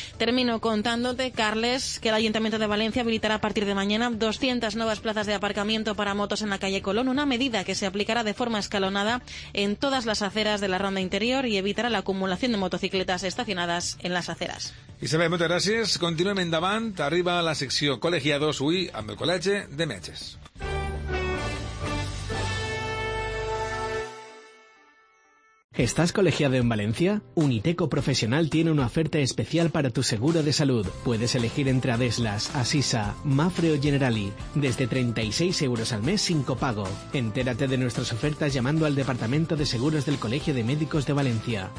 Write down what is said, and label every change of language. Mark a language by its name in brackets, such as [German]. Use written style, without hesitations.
[Spanish] Termino contándote, Carles, que el Ayuntamiento de Valencia habilitará a partir de mañana 200 nuevas plazas de aparcamiento para motos en la calle Colón, una medida que se aplicará de forma escalonada en todas las aceras de la ronda interior y evitará la acumulación de motocicletas estacionadas en las aceras. [Catalan] Isabel, moltes gràcies. Continuem endavant. Arriba a la secció Col·legiados UI amb el Col·legi de Metges. [Spanish] ¿Estás colegiado en Valencia? Uniteco Profesional tiene una oferta especial para tu seguro de salud. Puedes elegir entre Adeslas, Asisa, Mafre o Generali. Desde 36 euros al mes sin copago. Entérate de nuestras ofertas llamando al Departamento de Seguros del Colegio de Médicos de Valencia.